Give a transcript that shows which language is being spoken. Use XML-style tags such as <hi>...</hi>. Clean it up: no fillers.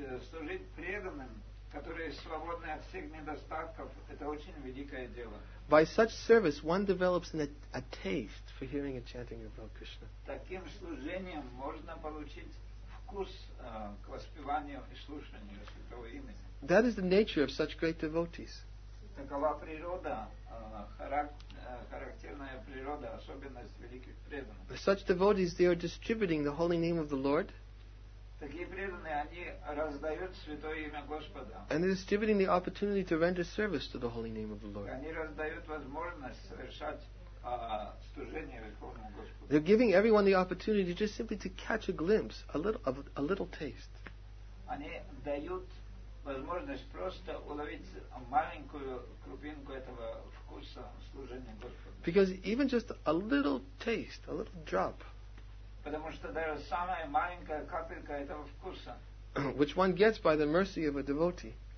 <ru>Служить преданным, которые свободны от всех недостатков, это очень великое дело.</ru> <en>By such service, one develops a taste for hearing and chanting about Krishna.</en> <ru>Таким служением можно получить вкус к воспеванию и слушанию святого имени.</ru> <en>That is the nature of such great devotees.</en> <ru>Такова природа, характерная природа, особенность великих преданных.</ru> <en>Such devotees, they are distributing the holy name of the Lord.</en> <ru>Такие преданные, они раздают святое имя Господа.</ru> <en>And they're distributing the opportunity to render service to the holy name of the Lord.</en> <ru>Они раздают возможность совершать служение Верховному Господу.</ru> <en>They're giving everyone the opportunity just simply to catch a glimpse, a little taste.</en> <ru>они дают возможность просто уловить маленькую крупинку этого вкуса служения Господу.</ru> <en>Because even just a little taste, a little drop.</en> <ru>Потому что даже самая маленькая капелька этого вкуса.</ru> <en>Which one gets by the mercy of a devotee.</en>